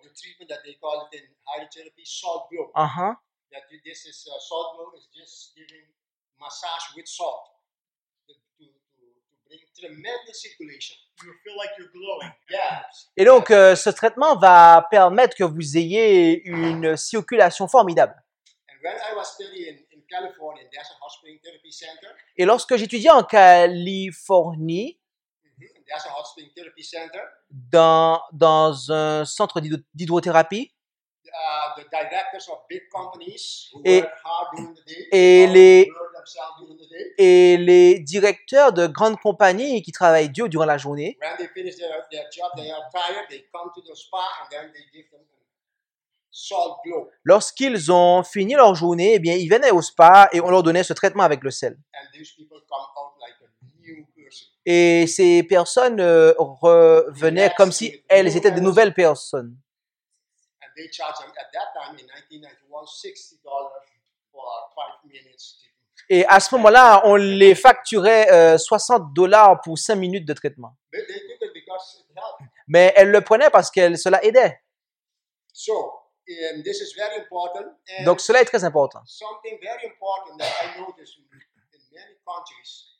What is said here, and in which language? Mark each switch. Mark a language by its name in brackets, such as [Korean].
[English] The treatment that they call it in hydrotherapy, salt glow. Uh-huh. That this is salt glow is just giving massage with salt to bring tremendous circulation. You feel like you're glowing. Yes. [French] Et donc, ce traitement va permettre que vous ayez une circulation formidable. [English] And when I was studying in California, there's a hot spring therapy center. [French] Et lorsque j'étudiais en Californie. [English] There's a hot spring therapy center. [French] Dans un centre d'hydrothérapie. [English] The directors of big companies who work hard during the day. [French] Et les directeurs de grandes compagnies qui travaillent dur durant la journée. [English] When they finish their job, they are tired. They come to the spa and then they give them salt glow. [French] Lorsqu'ils ont fini leur journée, eh bien, ils venaient au spa et on leur donnait ce traitement avec le sel. [English] And these people come out like a new. [French] Et ces personnes revenaient comme si elles étaient de nouvelles personnes. [English] And they charged them at that time in 1991 $60 for 5 minutes. [French] Et à ce moment-là, on les facturait $60 pour 5 minutes de traitement. [English] But they took it because it helped. [French] Mais elles le prenaient parce que cela aidait. [English] So, this is very important. And [French] donc cela est très important. [English] Something very important that I noticed in many countries.